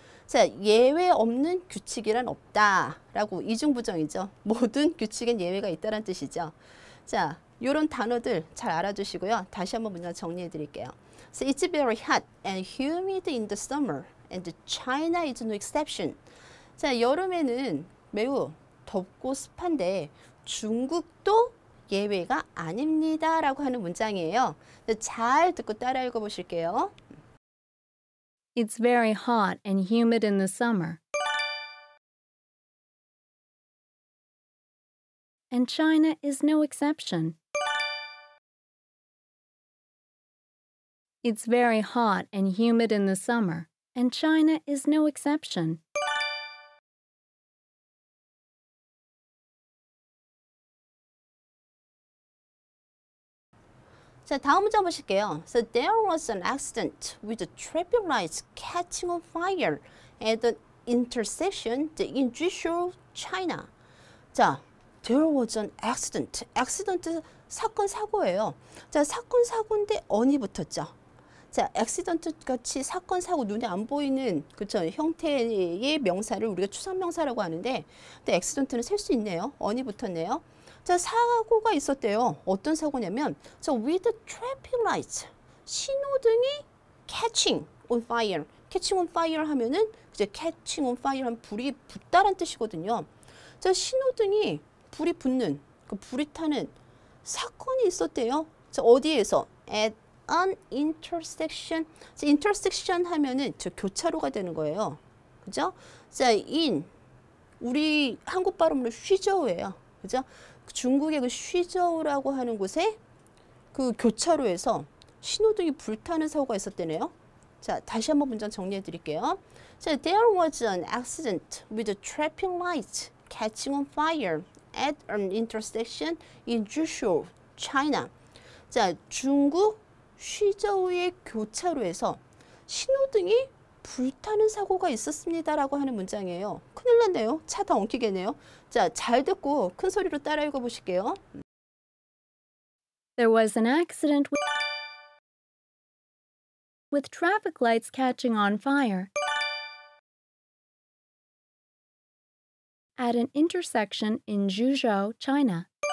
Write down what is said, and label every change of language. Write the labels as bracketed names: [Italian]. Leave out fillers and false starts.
[Korean] 자, 예외 없는 규칙이란 없다. 라고 이중부정이죠. 모든 규칙엔 예외가 있다는 뜻이죠. 자, 이런 단어들 잘 알아두시고요. 다시 한번 문장 정리해 드릴게요. [English] So it's very hot and humid in the summer. And China is no exception. [Korean] 자, 여름에는 매우 덥고 습한데 중국도 예외가 아닙니다 라고 하는 문장이에요. 잘 듣고 따라 읽어보실게요. [English] It's very hot and humid in the summer. And China is no exception. It's very hot and humid in the summer. And China is no exception. So there was an accident with the traffic lights catching on fire at the intersection in Jishou, China. So there was an accident. Accident [Korean] 사건 사고예요. 자, 사건 사고인데 언이 붙었죠. 자, accident 같이 사건 사고 눈에 안 보이는 그렇죠 형태의 명사를 우리가 추상명사라고 하는데, 근데 accident는 셀 수 있네요. 언이 붙었네요. 자, 사고가 있었대요. 어떤 사고냐면, [English] so with the traffic lights, [Korean] 신호등이 [English] catching on fire. catching on fire [Korean] 하면은, 이제 catching on fire 하면 불이 붙다란 뜻이거든요. 자, 신호등이 불이 붙는, 그 불이 타는 사건이 있었대요. 자, 어디에서? at [English] an intersection. [Korean] 자, intersection 하면은 저 교차로가 되는 거예요. 그죠? 자, in 우리 한국 발음으로 쉬저우예요. 그죠? 중국의 그 쉬저우라고 하는 곳에 그 교차로에서 신호등이 불타는 사고가 있었대네요. 자, 다시 한번 문장 정리해 드릴게요. [English] 자, there was an accident with a traffic light catching on fire at an intersection in Zhuzhou, China. [Korean] 자, 중국 쉬저우의 교차로에서 신호등이 불타는 사고가 있었습니다라고 하는 문장이에요. 큰일 났네요. 차 다 엉키겠네요. 자, 잘 듣고 큰 소리로 따라 읽어 보실게요. [English] There was an accident with traffic lights catching on fire at an intersection in Zhuzhou, China.